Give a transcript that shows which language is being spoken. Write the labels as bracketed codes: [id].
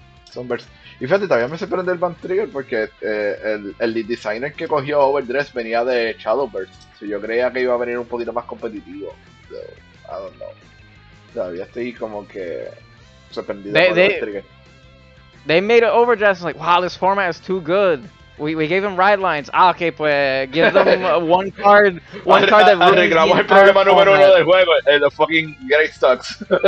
[es] Sunburst. Y fíjate, todavía me sorprende el Van Trigger porque el designer que cogió Overdress venía de Shadowburst. So yo creía que iba a venir un poquito más competitivo. [en] So, I don't know. [es] Todavía estoy como que sorprendido por el Trigger. [en] They made an Overdress like, wow, this format is too good. We gave him ride lines. Ah, okay, pues give them one card that really. [es] Arreglamos el problema número uno del juego, [en] the fucking Great Stocks.